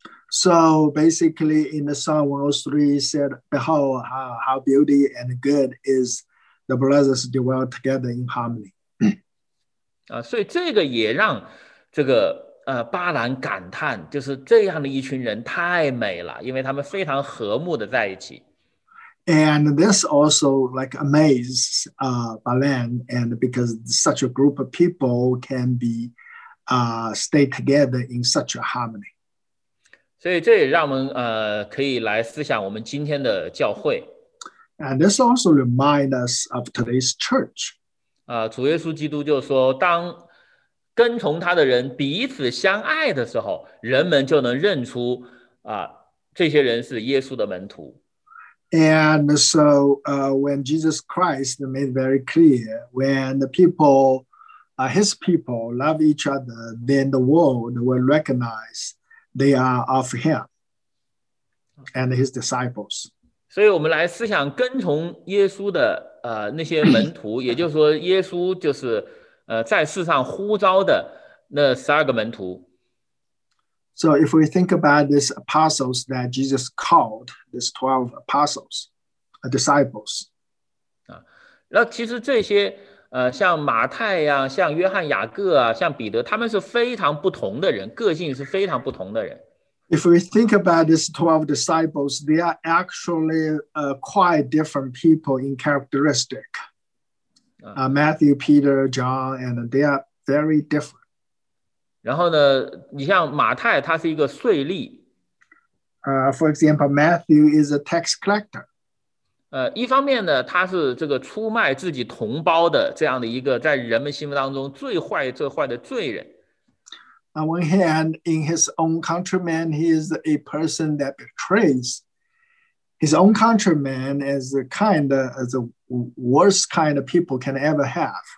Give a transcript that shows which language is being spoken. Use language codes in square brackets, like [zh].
[en] So basically in the Psalm 103 he said, Behold, how beauty and good is the brothers dwell together in harmony. [zh] 所以这个也让这个巴兰感叹，就是这样的一群人太美了，因为他们非常和睦的在一起。 [en] And this also like amazes Balan, and because such a group of people can be stay together in such a harmony. [zh] 所以这也让我们可以来思想我们今天的教会。 [en] And this also reminds us of today's church. [zh] 主耶稣基督就说，当跟从他的人彼此相爱的时候，人们就能认出这些人是耶稣的门徒。 [en] And so, when Jesus Christ made very clear, when the people, his people, love each other, then the world will recognize they are of him and his disciples. [zh] 所以我们来思想跟从耶稣的那些门徒，也就是说，耶稣就是在世上呼召的那十二个门徒。 [en] So if we think about these apostles that Jesus called, these 12 apostles, disciples. [zh] 那其实这些像马太啊，像约翰雅各啊，像彼得，他们是非常不同的人，个性是非常不同的人。 [en] If we think about these 12 disciples, they are actually quite different people in characteristic. Matthew, Peter, John, and they are very different. [zh] 然后呢，你像马太，他是一个税吏。 [en] For example, Matthew is a tax collector. [zh] 一方面呢，他是这个出卖自己同胞的这样的一个在人们心目当中最坏、最坏的罪人。 [en] On one hand, in his own countrymen, he is a person that betrays his own countrymen as a kind of, as the worst kind of people can ever have.